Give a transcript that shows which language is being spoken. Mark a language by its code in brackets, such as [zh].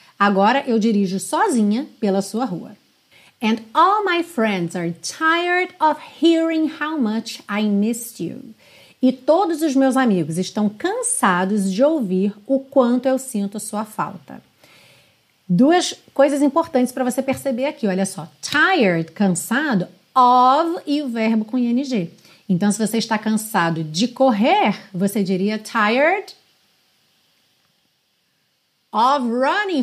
[pt] Agora eu dirijo sozinha pela sua rua. [en] And all my friends are tired of hearing how much I missed you. [pt] E todos os meus amigos estão cansados de ouvir o quanto eu sinto sua falta. Duas coisas importantes para você perceber aqui, olha só. Tired, cansado, of e o verbo com ing. Então, se você está cansado de correr, você diria [en] tired of running.